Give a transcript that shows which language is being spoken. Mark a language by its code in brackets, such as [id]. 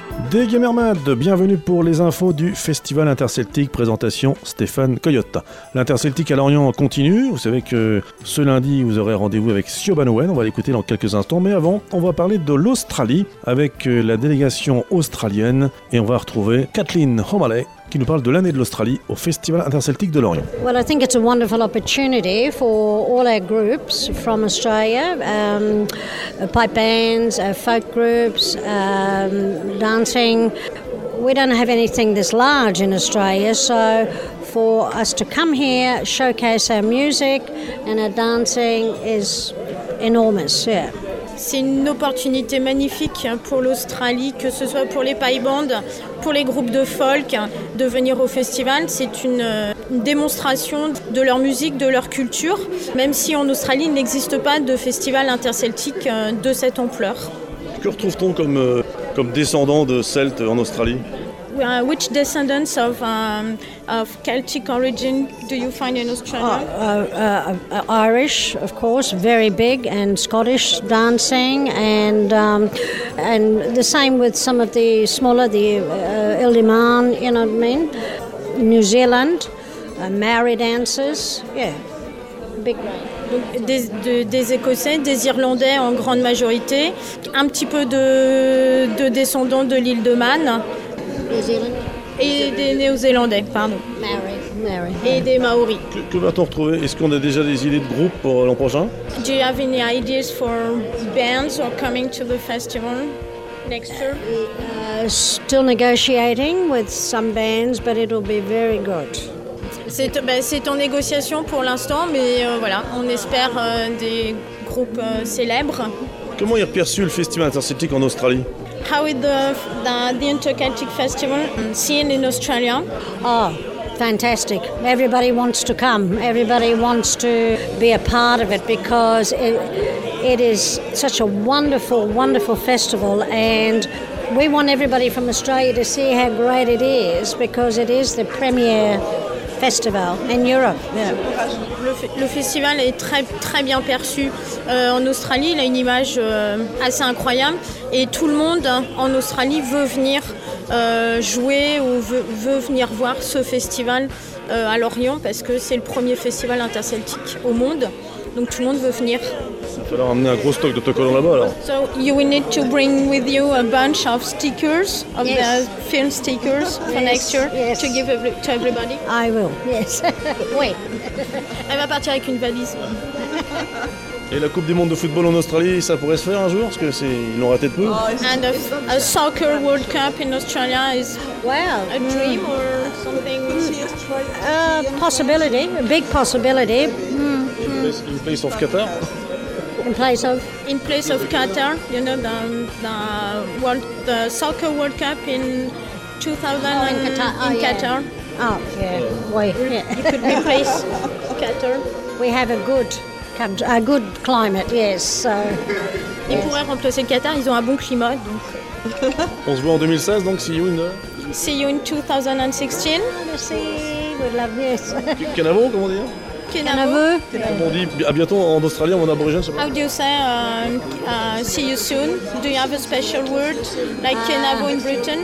[fr] Des Gamermad, bienvenue pour les infos du Festival Interceltique, présentation Stéphane Coyotte. L'Interceltique à Lorient continue, vous savez que ce lundi vous aurez rendez-vous avec Siobhan Owen, on va l'écouter dans quelques instants, mais avant on va parler de l'Australie avec la délégation australienne et on va retrouver Kathleen Homalley qui nous parle de l'année de l'Australie au Festival Interceltique de Lorient. [en] Well, I think it's a wonderful opportunity for all our groups from Australia, pipe bands, folk groups, dancing. We don't have anything this large in Australia, so for us to come here, showcase our music and our dancing is enormous, yeah. [fr] C'est une opportunité magnifique pour l'Australie, que ce soit pour les pipe bands, pour les groupes de folk, de venir au festival. C'est une démonstration de leur musique, de leur culture, même si en Australie, il n'existe pas de festival interceltique de cette ampleur. Que retrouve-t-on comme descendant de Celtes en Australie? [en] Which descendants of Celtic origin do you find in Australia? Irish, of course, very big, and Scottish dancing, and the same with some of the smaller, the Ildimaan, you know what I mean? New Zealand, Maori dancers, yeah, big. [fr] Donc des Écossais, des Irlandais en grande majorité, un petit peu de descendants de l'île de Man. [en] New Zealand. [fr] Et des Néo-Zélandais, pardon. [en] Maori. [fr] Et des Maoris. Que va-t-on retrouver? Est-ce qu'on a déjà des idées de groupe pour l'an prochain? [en] Do you have any ideas for bands or coming to the festival next year? Still negotiating with some bands, but it'll be very good. C'est en négociation pour l'instant, mais voilà, on espère des groupes célèbres. Comment est perçu le festival interceltique en Australie? How is the Interceltic Festival seen in Australia? Oh, fantastic. Everybody wants to come. Everybody wants to be a part of it because it is such a wonderful, wonderful festival. And we want everybody from Australia to see how great it is because it is the premier festival in Europe. Yeah. Le festival est très, très bien perçu en Australie. Il a une image assez incroyable. Et tout le monde en Australie veut venir jouer ou veut venir voir ce festival à Lorient parce que c'est le premier festival interceltique au monde. Donc tout le monde veut venir. Il va falloir amener un gros stock d'autocollants là-bas alors. So you will need to bring with you a bunch of stickers, of yes. The film stickers for yes. Next year yes. To give to everybody. I will, yes. [fr] Oui. Elle va partir avec une valise. Et la Coupe du Monde de football en Australie, ça pourrait se faire un jour parce que c'est ils l'ont raté de peu. [en] And a soccer World Cup in Australia is well a dream or something. A possibility, a big possibility. In place of Qatar. In place of Qatar, you know the soccer World Cup in 2000 oh, in Qatar. In oh, Qatar. Yeah. Oh yeah, why? Yeah. You could replace Qatar. We have a good. A good climate, yes. [fr] Ils [en] yes. [fr] Pourraient remplacer le Qatar, ils ont un bon climat. Donc. On se voit en 2016, donc [en] see you in... See you in 2016. [fr] Merci, [en] we'd love this. [fr] Canavo, comment dire? Canavo. Comment on dit, à bientôt en Australie, en aborigène. [en] How do you say, see you soon? Do you have a special word, like Canavo in Britain?